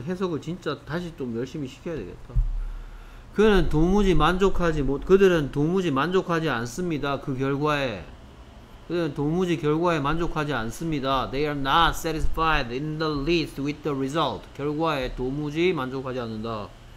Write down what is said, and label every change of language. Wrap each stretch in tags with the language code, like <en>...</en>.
<ko>아, 해석을 진짜 다시 좀 열심히 시켜야 되겠다. 그는 도무지 만족하지 못 그들은 도무지 만족하지 않습니다. 그 결과에 그는 도무지 결과에 만족하지 않습니다.</ko> <en>They are not satisfied in the least with the result.</en> <ko>결과에 도무지 만족하지 않는다.</ko>